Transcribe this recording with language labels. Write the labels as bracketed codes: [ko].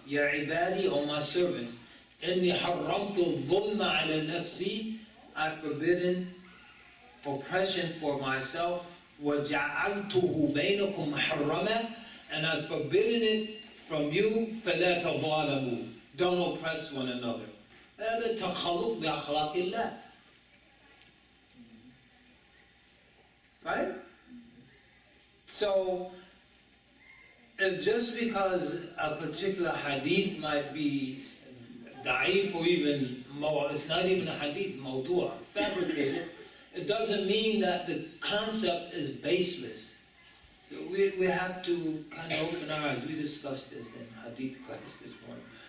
[ar] يَا عِبَادِي, [en] O my servants, [ar] إِنِّي حَرَّمْتُ الظُّلْمَ عَلَى نَفْسِي, [en] I've forbidden oppression for myself. [ar] وَجَعَلْتُهُ بَيْنَكُمْ حَرَّمًا, [en] and I've forbidden it from you. [ar] فَلَا تَظَالَمُوا, [en] don't oppress one another. [ar] هذا تَخَلُّق بِأَخْلَاقِ اللَّهِ. [en] Right? So And just because a particular hadith might be da'if or even it's not even a hadith, mawdu'a, fabricated, it doesn't mean that the concept is baseless. We have to kind of open our eyes. We discussed this in hadith class this morning.